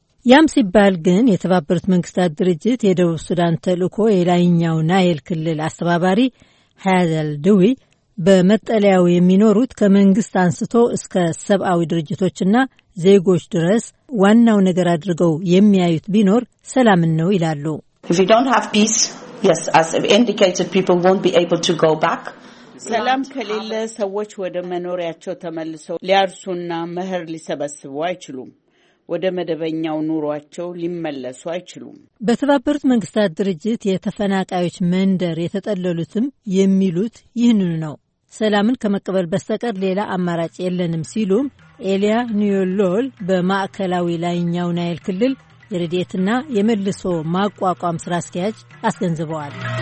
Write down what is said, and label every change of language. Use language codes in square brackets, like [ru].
[am] ያም ሲባል ግን የተባበሩት መንግስታት ድርጅት የደቡብ ሱዳን ተልእኮ የላይኛው ናይል ክልል አስተባባሪ ሃያዘል ድዊ በመጠለያው የሚኖሩት ከመንግስት አንስቶ እስከ ሰብአዊ ድርጅቶችና ዜጎች ድረስ ዋናው ነገር አድርገው የሚያዩት ቢኖር ሰላምን ነው ይላሉ። [en] If you don't have peace, yes, as indicated, people won't be able to go back. [am] ሰላም ከሌለ ሰዎች ወደ መኖሪያቸው ተመልሰው ሊያርሱና መኸር ሊሰበስቡ አይችሉም። ወደ መደበኛው ኑሯቸው ሊመለሱ አይችሉም። በተባበሩት መንግስታት ድርጅት የተፈናቃዮች መንደር የተጠለሉትም የሚሉት ይህንኑ ነው። ሰላምን ከመቀበል በስተቀር ሌላ አማራጭ የለንም ሲሉም ኤልያ ኒዮሎል በማዕከላዊ ላይኛው ናይል ክልል የረድኤትና የመልሶ ማቋቋም ስራ አስኪያጅ አስገንዝበዋል።